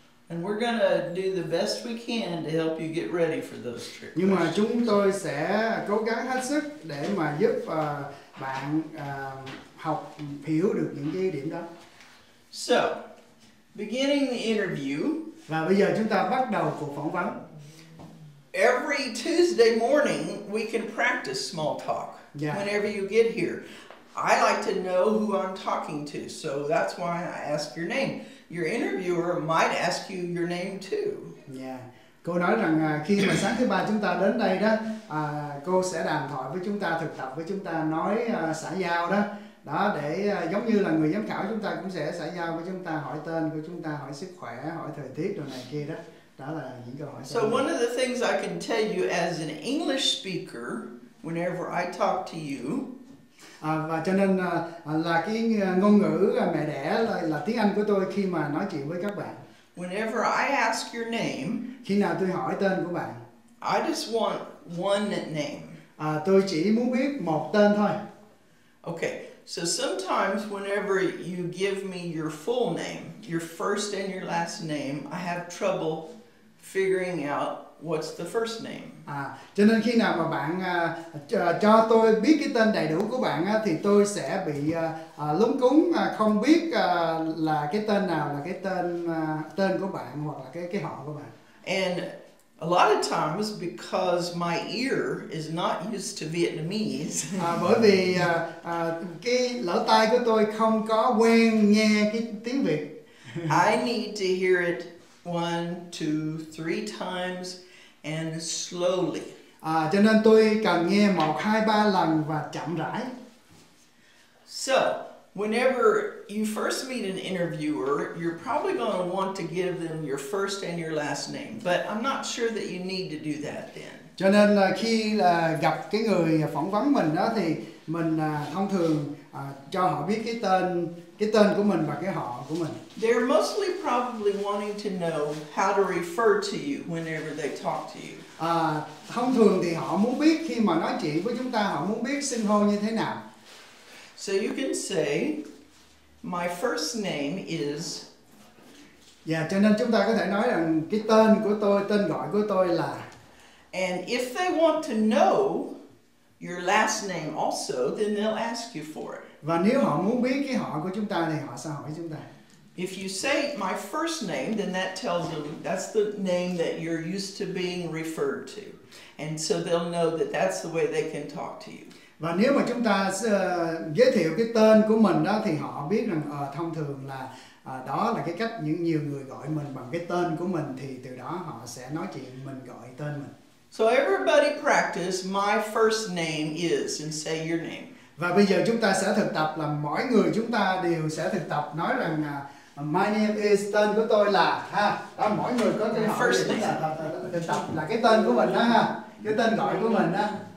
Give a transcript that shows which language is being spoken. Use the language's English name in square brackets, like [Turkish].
[English] And we're gonna do the best we can to help you get ready for those trick. [Vietnamese] Nhưng mà chúng tôi sẽ cố gắng hết sức để mà giúp bạn học hiểu được những cái điểm đó. [English] So, beginning the interview. [Vietnamese] Và bây giờ chúng ta bắt đầu cuộc phỏng vấn. [English] Every Tuesday morning, we can practice small talk. Yeah. Whenever you get here, I like to know who I'm talking to, so that's why I ask your name. Your interviewer might ask you your name too. Yeah. [Vietnamese] Cô nói rằng khi mà sáng thứ ba chúng ta đến đây đó, cô sẽ đàm thoại với chúng ta, thực tập với chúng ta, nói xã giao đó. Đó để giống như là người giám khảo chúng ta cũng sẽ xã giao với chúng ta, hỏi tên của chúng ta, hỏi sức khỏe, hỏi thời tiết rồi này kia đó. Đó là những câu hỏi. [English] So one of the things I can tell you as an English speaker whenever I talk to you. [Vietnamese] Và cho nên là cái ngôn ngữ mẹ đẻ là tiếng Anh của tôi khi mà nói chuyện với các bạn. [English] Whenever I ask your name, [Vietnamese] khi nào tôi hỏi tên của bạn. [English] I just want one name. [Vietnamese] Tôi chỉ muốn biết một tên thôi. [English] Okay. So sometimes whenever you give me your full name, your first and your last name, I have trouble figuring out what's the first name? [Vietnamese] À, cho nên khi nào mà bạn cho tôi biết cái tên đầy đủ của bạn thì tôi sẽ bị lúng cúng không biết là cái tên nào là cái tên tên của bạn hoặc là cái họ của bạn. [English] And a lot of times because my ear is not used to Vietnamese. [Vietnamese] Bởi vì cái lỗ tai của tôi không có quen nghe cái tiếng Việt. [English] I need to hear it 1, 2, 3 times and slowly. [Vietnamese] Cho nên tôi cần nghe 1, 2, 3 lần và chậm rãi. [English] So, whenever you first meet an interviewer, you're probably going to want to give them your first and your last name. But I'm not sure that you need to do that then. [Vietnamese] Cho nên là khi là gặp cái người phỏng vấn mình đó thì mình thông thường cho họ biết cái tên của mình và cái họ của mình. [English] They're mostly probably wanting to know how to refer to you whenever they talk to you. [Vietnamese] Thông thường thì họ muốn biết khi mà nói chuyện với chúng ta, họ muốn biết xưng hô như thế nào. [English] So you can say, my first name is. [Vietnamese] Yeah, cho nên chúng ta có thể nói rằng cái tên của tôi, tên gọi của tôi là. [English] And if they want to know your last name also, then they'll ask you for it. [Vietnamese] Và nếu họ muốn biết cái họ của chúng ta thì họ sẽ hỏi chúng ta. [English] If you say my first name, then that tells them that's the name that you're used to being referred to. And so they'll know that that's the way they can talk to you. [Vietnamese] Và nếu mà chúng ta giới thiệu cái tên của mình đó thì họ biết rằng thông thường là đó là cái cách những nhiều người gọi mình bằng cái tên của mình, thì từ đó họ sẽ nói chuyện mình gọi tên mình. [English] So everybody practice my first name is and say your name. [Vietnamese] Và bây giờ chúng ta sẽ thực tập là mỗi người chúng ta đều sẽ thực tập nói rằng [English] my name is, [Vietnamese] tên của tôi là, ha, đó, mỗi người có cái [English] first [Vietnamese] name thực tập là cái tên của mình đó, ha, cái tên gọi của mình đó.